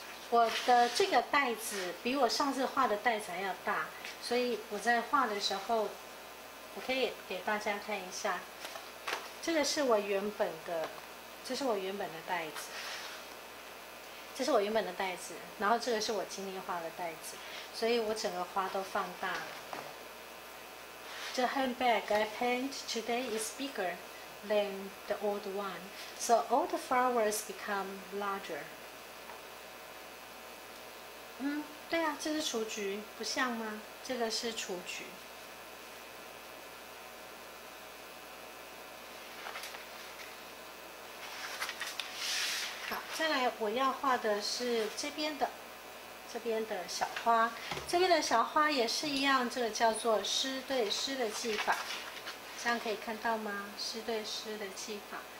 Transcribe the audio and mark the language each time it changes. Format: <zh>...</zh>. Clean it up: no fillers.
<zh>我的这个袋子比我上次画的袋子还要大，所以我在画的时候，我可以给大家看一下，这个是我原本的，这是我原本的袋子。这是我原本的袋子，然后这个是我今天画的袋子，所以我整个花都放大了。</zh> <en>The handbag I paint today is bigger than the old one, so all the flowers become larger.</en> <zh>嗯，对啊，这是雏菊，不像吗？这个是雏菊。好，再来我要画的是这边的小花，这边的小花也是一样，这个叫做湿对湿的技法，这样可以看到吗？湿对湿的技法，</zh>